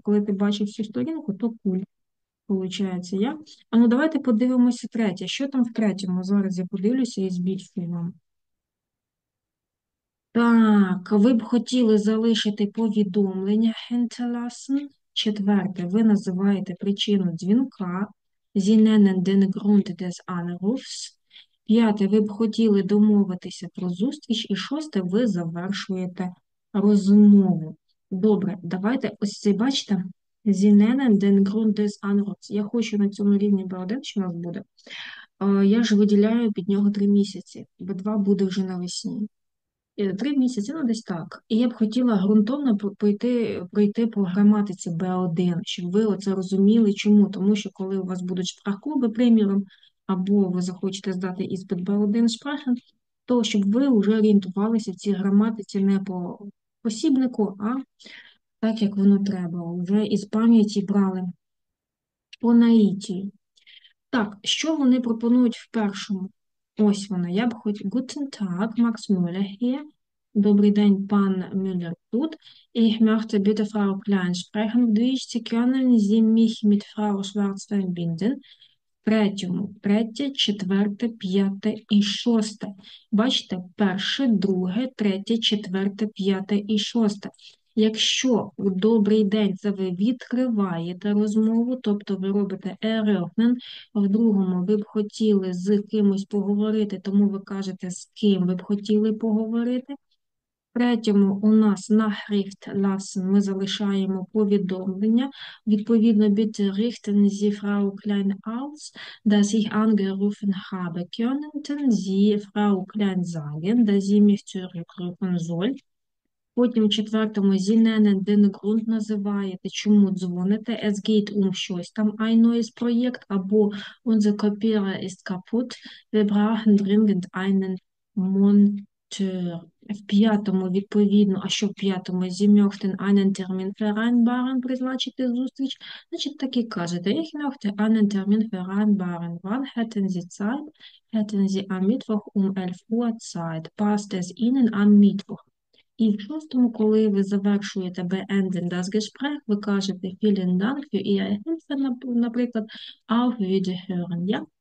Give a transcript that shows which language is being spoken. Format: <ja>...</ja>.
<uk>Коли ти бачиш всю сторінку, то куль виходить. Я? А ну давайте подивимося третє. Що там в третьому? Зараз я подивлюся і збільшую вам. Так, ви б хотіли залишити повідомлення hinterlassen. Четверте, ви називаєте причину дзвінка.</uk> <de>Sie nennen den Grund des Anrufs.</de> <uk>П'яте, ви б хотіли домовитися про зустріч. І шосте, ви завершуєте розмову. Добре, давайте ось це бачите.</uk> <de>Sie nennen den Grund des Anrufs.</de> <uk>Я хочу на цьому рівні B1, що у нас буде. Я ж виділяю під нього 3 місяці. B2 буде вже навесні. 3 місяці, ну десь так. І я б хотіла ґрунтовно пройти по граматиці B1, щоб ви оце розуміли, чому. Тому що коли у вас будуть шпрахклуби, приміром, або ви захочете здати іспит B1 шпрахен, то щоб ви вже орієнтувалися в цій граматиці не по посібнику, а так, як воно треба. Вже із пам'яті брали по наїті. Так, що вони пропонують в першому? Ось воно. Я б хотів.</uk> <de>Guten Tag, Макс Мюллер hier.</de> <uk>Добрий день, пан Мюллер тут.</uk> <de>Ich möchte bitte Frau Klein sprechen. Wie können Sie mich mit Frau Schwarz verbinden?</de> <uk>Третьому. Третє, четверте, п'яте і шосте. Бачите, перше, друге, третє, четверте, п'яте і шосте. Якщо у добрий день це ви відкриваєте розмову, тобто ви робите eröffnen, в другому ви б хотіли з кимось поговорити, тому ви кажете, з ким ви б хотіли поговорити. В третьому у нас</uk> <de>Nachricht lassen,</de> <uk>ми залишаємо повідомлення. Відповідно,</uk> <de>bitte richten Sie Frau Klein aus, dass ich angerufen habe. Könnten Sie Frau Klein sagen, dass sie mich zurückrufen soll?</de> <uk>Потім в четвертому</uk> <de>Sie nennen den Grund,</de> <uk>називаєте, чому дзвоните.</uk> <de>Es geht</de> <uk>щось там,</uk> <de>ein neues Projekt,</de> <uk>або</uk> <de>unser Kopierer ist kaputt. Wir brauchen dringend einen Monteur.</de> <uk>В п'ятому, відповідно, а що в п'ятому?</uk> <de>Sie möchten einen Termin vereinbaren,</de> <uk>призначити зустріч. Значить, так і кажете.</uk> <de>Ich möchte einen Termin vereinbaren. Wann hätten Sie Zeit? Hätten Sie am Mittwoch um 11 Uhr Zeit? Passt es Ihnen am Mittwoch?</de> <uk>І в шостому, коли ви завершуєте</uk> <de>beenden das Gespräch,</de> <uk>ви кажете</uk> <de>vielen Dank für Ihr Interesse,</de> <uk>наприклад,</uk> <de>auf Wiederhören,</de> <uk>ja?</uk>